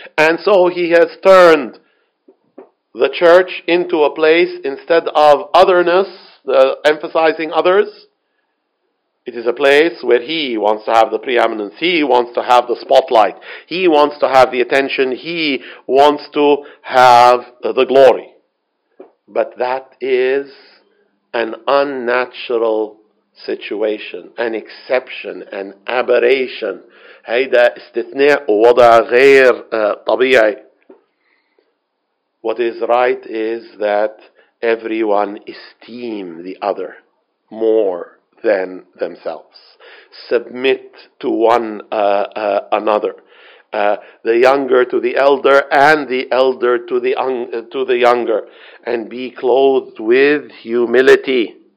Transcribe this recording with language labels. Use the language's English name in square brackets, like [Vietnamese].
[English] And so he has turned the church into a place, instead of otherness, emphasizing others, it is a place where he wants to have the preeminence, he wants to have the spotlight, he wants to have the attention, he wants to have the glory. But that is an unnatural situation, an exception, an aberration. [Arabic] هذا استثناء ووضع غير طبيعي. [English] What is right is that everyone esteem the other more than themselves. Submit to one another. The younger to the elder, and the elder to the younger, and be clothed with humility.